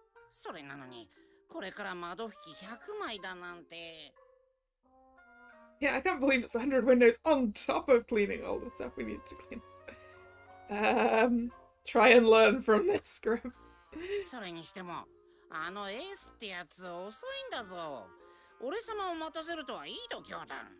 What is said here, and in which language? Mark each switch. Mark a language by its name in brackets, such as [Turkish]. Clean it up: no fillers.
[Japanese] それなのに、これから窓拭き100枚だなんて。 [English] Yeah, I can't believe it's 100 windows on top of cleaning all the stuff we need to clean. Try and learn from this script. [Japanese] それにしても、あのエースってやつ遅いんだぞ。俺様を待たせるとはいい度胸だ。